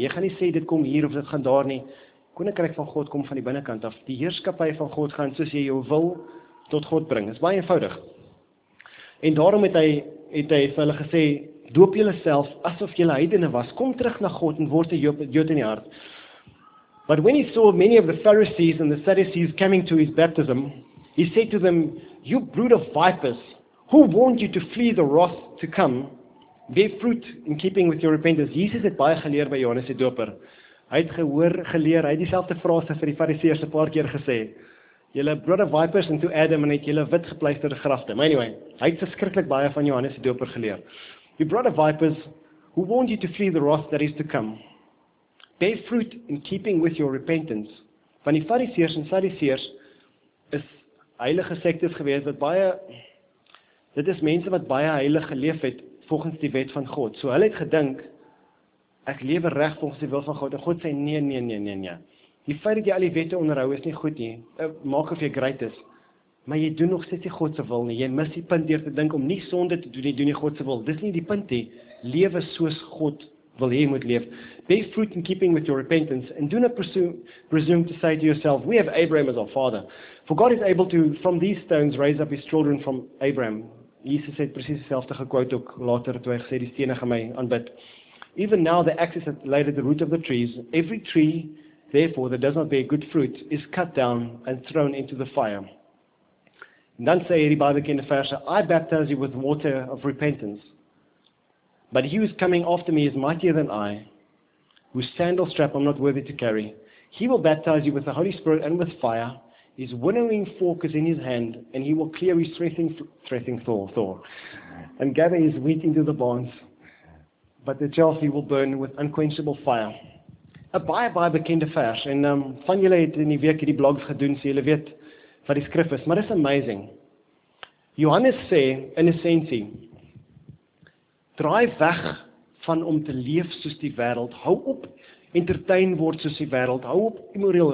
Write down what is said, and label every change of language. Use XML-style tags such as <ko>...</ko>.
<af>Jy gaan nie sê dit kom hier of dit gaan daar nie." Koninkryk van God kom van die binnekant af. Die heerskappy van God gaan soos jy jou wil tot God bring. Dit is baie eenvoudig. En daarom het hy vir hulle gesê, doop julle self asof julle heidene was. Kom terug na God en word 'n Jood in die hart.</af> <en>But when he saw many of the Pharisees and the Sadducees coming to his baptism, he said to them, "You brood of vipers, who warned you to flee the wrath to come? Bear fruit in keeping with your repentance."</en> <af>Jesus het baie geleer by Johannes die Doper. Hy het gehoor geleer, hy het dieselfde frase vir die fariseërs 'n paar keer gesê. Julle</af> <en>brood of vipers into</en> <af>Adam en het julle wit gepleisterde grafte. Maar anyway, hy het verskriklik baie van Johannes die Doper geleer.</af> <en>"You brood of vipers, who warned you to flee the wrath that is to come? Bear fruit in keeping with your repentance."</en> <af>Van die fariseërs en saduseërs is heilige sektes gewees wat baie, dit is mense wat baie heilig geleef het volgens die wet van God. So hulle het gedink, ek lewe reg volgens die wil van God. En God sê nee. Die feit dat jy al die wette onderhou is nie goed nie. Maak of jy great is. Maar jy doen nog steeds nie God se wil nie. Jy mis die punt deur te dink om nie sonde te doen nie, doen jy God se wil. Dis nie die punt nie. Lewe soos God wil hê jy moet leef.</af> <en>Bear fruit in keeping with your repentance and do not presume to say to yourself, "We have Abraham as our father." For God is able to from these stones raise up his children from Abraham.</en> <af>Jesus het presies dieselfde gekwote ook later toe hy gesê die stene gaan my aanbid.</af> <en>"Even now the axe is laid at the root of the trees. Every tree, therefore, that does not bear good fruit is cut down and thrown into the fire."</en> <af>En dan sê hierdie baie bekende verse,</af> <en>"I baptize you with water of repentance. But he who is coming after me is mightier than I, whose sandal strap I'm not worthy to carry. He will baptize you with the Holy Spirit and with fire. His winnowing fork is in his hand, and he will clear his threshing floor and gather his wheat into the barns. But the chaff he will burn with unquenchable fire."</en> <af>'N baie baie bekende vers en van julle het in die week hierdie blogs gedoen, so julle weet wat die skrif is, maar dit is amazing. Johannes sê in essensie, draai weg van om te leef soos die wêreld. Hou op entertain word soos die wêreld. Hou op immoreel.</af>